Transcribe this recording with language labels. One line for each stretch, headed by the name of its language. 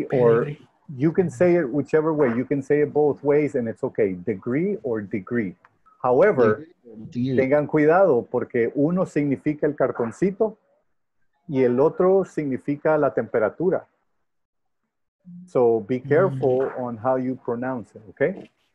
English: Degree, or you can say it whichever way. You can say it both ways and it's okay. Degree or degree. However, degree.
Spanish: Tengan cuidado porque uno significa el cartoncito y el otro significa la temperatura.
English: So be careful on how you pronounce it, okay?